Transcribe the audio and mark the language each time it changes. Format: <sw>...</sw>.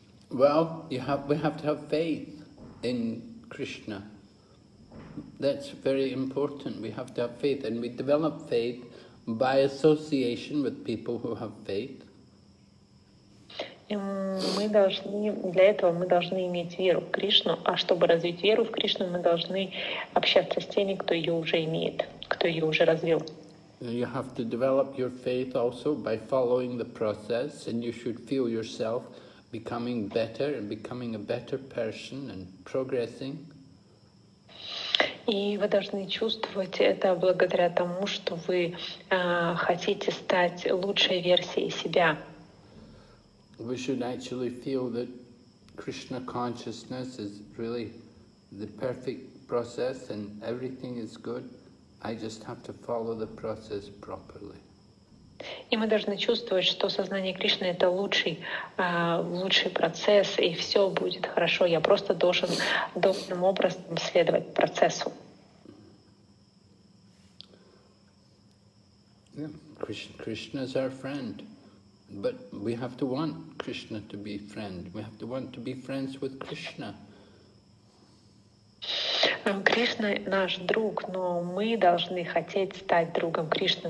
<en>Well, we have to have faith in Krishna. That's very important. We have to have faith, and we develop faith by association with people who have faith.</en> <ru>Мы должны для этого мы должны иметь веру в Кришну, а чтобы развить веру в Кришну, мы должны общаться с теми, кто ее уже имеет, кто ее уже развил.</ru> <en>You have to develop your faith also by following the process, and you should feel yourself becoming better and becoming a better person and progressing.</en> <ru>И вы должны чувствовать это благодаря тому, что вы хотите стать лучшей версией себя.</ru> <en>We should actually feel that Krishna consciousness is really the perfect process and everything is good. I just have to follow the process properly.</en> <ru>И мы должны чувствовать, что сознание Кришны — это лучший процесс, и все будет хорошо. Я просто должен должным образом следовать процессу.</ru> <en>Yeah. Krishna is our friend, but we have to want Krishna to be friend. We have to want to be friends with Krishna.</en> <ru>Кришна наш друг, но мы должны хотеть стать другом Кришны.</ru>